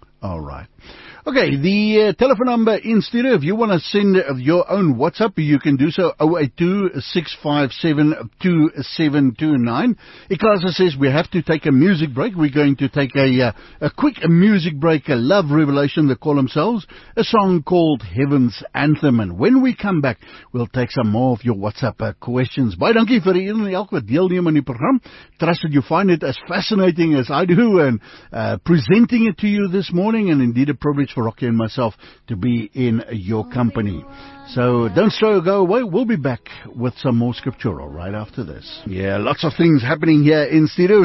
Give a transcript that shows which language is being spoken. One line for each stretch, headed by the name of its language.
English: All right. Okay, the telephone number in studio, if you want to send your own WhatsApp, you can do so, 082-657-2729. Ikasa says we have to take a music break. We're going to take a quick music break, a love revelation, they call themselves, a song called Heaven's Anthem. And when we come back, we'll take some more of your WhatsApp questions.
Afrikaans: Baie dankie vir die en elke deelneem aan die program.
English: Trust that you find it as fascinating as I do and presenting it to you this morning, and indeed a privilege for Rocky and myself to be in your company. So don't stray or go away. We'll be back with some more scriptural right after this. Yeah, lots of things happening here in studio.